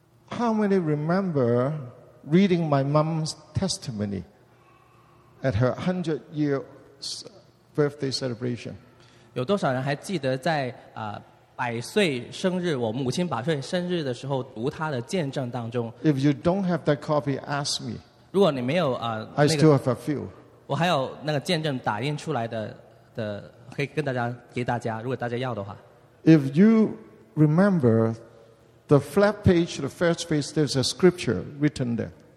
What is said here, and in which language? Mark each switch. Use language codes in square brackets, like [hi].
[en] How many remember reading my mom's testimony at her 100-year birthday celebration? [zh] 有多少人还记得在 百岁生日，我母亲百岁生日的时候读她的见证当中. [en] If you don't have that copy, ask me. [zh] 如果你没有 [en] I still have a few. [zh] 我还有那个见证打印出来的，可以跟大家给大家，如果大家要的话. [en] If you remember the flat page, the first page, there's a scripture written there.